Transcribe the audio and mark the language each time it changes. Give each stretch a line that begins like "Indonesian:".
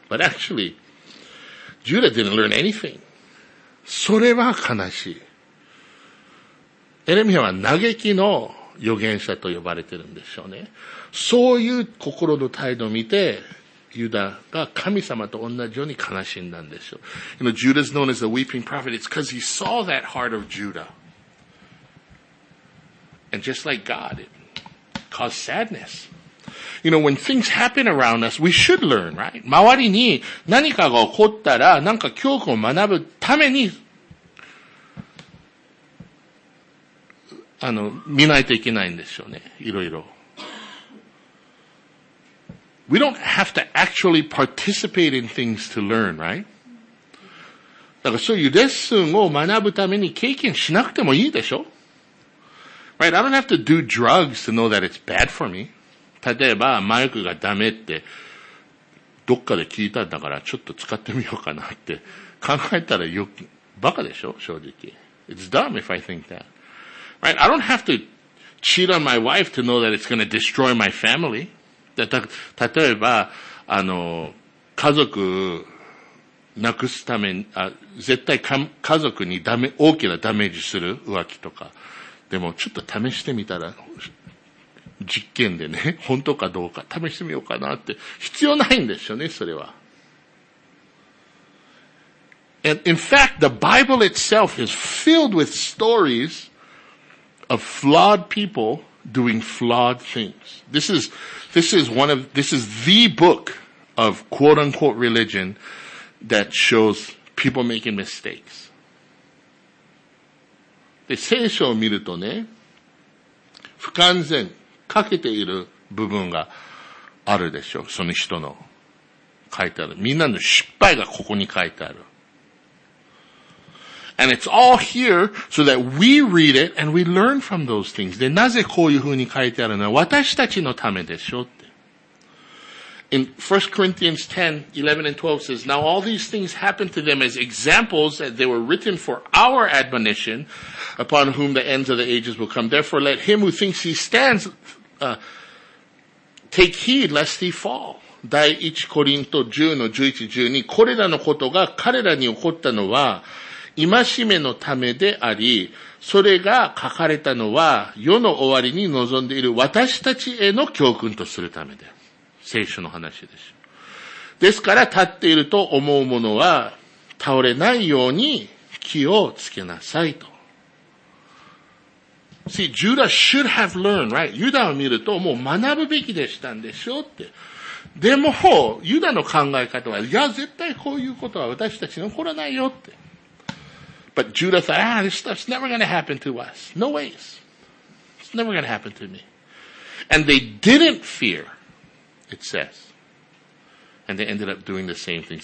English: But actually, Judah didn't learn anything.
Japanese: それは悲しい。エレミアは嘆きの預言者と呼ばれてるんでしょうね。そういう心の態度を見て、ユダが神様と同じように悲しんだんでしょう。
English: You know, Judah's known as the weeping prophet. It's because he saw that heart of Judah. And just like God, it caused sadness. You know, when things happen around us, we should learn, right?
Japanese: 周りに何かが起こったら、何か教訓を学ぶために、見ないといけないんでしょうね。いろいろ。
English: We don't have to actually participate in things to learn, right?
Japanese: だからそういうレッスンを学ぶために経験しなくてもいいでしょ?
English: Right? I don't have to do drugs to know that it's bad for me.
Japanese: 例えば、マイクがダメって、どっかで聞いたんだから、ちょっと使ってみようかなって、考えたらよく、バカでしょ正直。
English: It's dumb if I think that. Right? I don't have to cheat on my wife to know that it's going to destroy my family.
Japanese: 例えば、家族、なくすため、絶対家族にダメ、大きなダメージする浮気とか。でも、ちょっと試してみたら、実験でね、本当かどうか試してみようかなって必要ないんですよね、それは。
English: And in fact, the Bible itself is filled with stories of flawed people doing flawed things. This is the book of quote unquote religion that shows people making mistakes.
Japanese: で、聖書を見るとね、不完全。欠けている部分があるでしょう。その人の書いてある。みんなの失敗がここに書いてある。
English: And it's all here so that we read it and we learn from those things.
Japanese: で、なぜこういう風に書いてあるのは私たちのためでしょうって。
English: In 1 Corinthians 10, 11 and 12 says, now all these things happened to them as examples that they were written for our admonition, upon whom the ends of the ages will come. Therefore, let him who thinks he stands, take heed lest he fall.
Japanese: 第1コリント10の11、12、これらのことが彼らに起こったのは、戒めのためであり、それが書かれたのは、世の終わりに望んでいる私たちへの教訓とするためで。聖書の話でしょ。ですから、立っていると思うものは、倒れないように気をつけなさいと。
English: See, Judah should have learned, right?
Japanese: ユダを見ると、もう学ぶべきでしたんでしょうって。でも、ユダの考え方は、いや、絶対こういうことは私たちに起こらないよって。
English: But Judah thought, ah, this stuff's never going to happen to us. No ways. It's never going to happen to me. And they didn't fear, it says. And they ended up doing the same things.